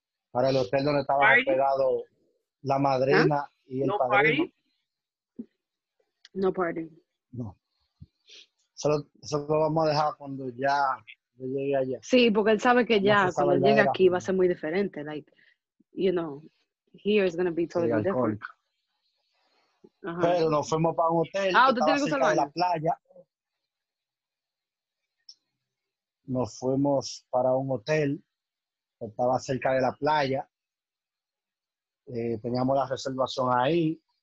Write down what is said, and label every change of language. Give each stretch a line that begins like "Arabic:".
Spanish: Para el hotel donde estaba hospedado la madrina y el padrino.
English: No party. No party. No.
Spanish: Eso lo vamos a dejar cuando ya llegue allá. Sí, porque él sabe que ya cuando llegue aquí va a ser muy diferente.
English: Like, you know, here is going to be totally different. Uh-huh.
Spanish: Pero nos fuimos para un hotel que estaba cerca de la playa. Nos fuimos para un hotel que estaba cerca de la playa. Teníamos la reservación ahí.